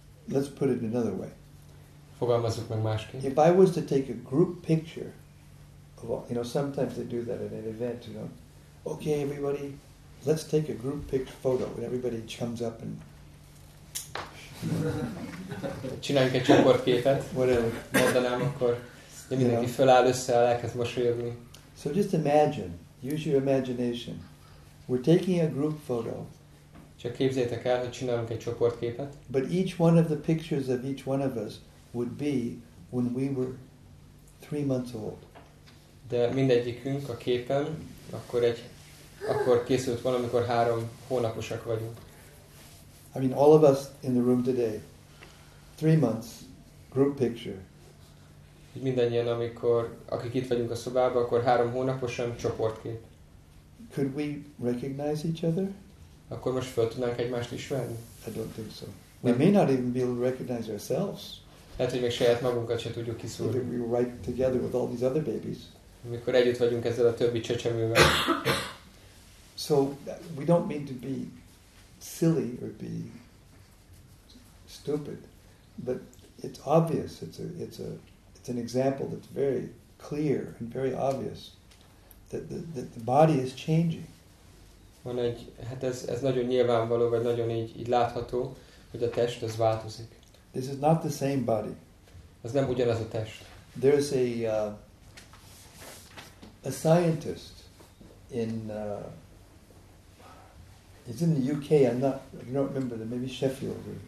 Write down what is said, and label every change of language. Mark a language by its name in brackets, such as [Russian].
[English] Let's put it another way. [Hungarian] Fogalmazzuk meg másképp. [English] If I was to take a group picture of all, you know, sometimes they do that at an event, you know. Okay, everybody, let's take a group picture photo when everybody comes up and [Hungarian] csináljunk egy csoportképet. [English] Whatever. [Hungarian] Mondanám akkor. De mindenki feláll össze, elkezd mosolyogni. [English] So just imagine, use your imagination. We're taking a group photo. [Hungarian] Csak képzeljétek el, hogy csinálunk egy csoportképet. [English] But each one of the pictures of each one of us would be when we were 3 months old. [Hungarian] De mindegyikünk a képen, akkor készült valamikor 3 hónaposak vagyunk. [English] I mean, all of us in the room today, 3 months, group picture. [Hungarian] Hogy mindannyian, amikor, akik itt vagyunk a szobában, akkor 3 hónaposan csoportkép. [English] Could we recognize each other? [Hungarian] Akkor most föl tudnánk egymást ismerni? [English] I don't think so. We may not even be able to recognize ourselves. [Hungarian] Lehet, hogy még saját magunkat sem tudjuk kiszúrni. [English] If we were right together with all these other babies. [Hungarian] Amikor együtt vagyunk ezzel a többi csecsemővel. [English] So we don't mean to be silly or be stupid, but it's obvious, it's an example that's very clear and very obvious that the body is changing. [Hungarian] Van egy, hát ez nagyon nyilvánvaló, vagy nagyon így látható, hogy a test az változik. [English] This is not the same body. [Hungarian] Ez nem ugyanaz a test. [English] There is a scientist it's in the UK, I don't remember, maybe Sheffield.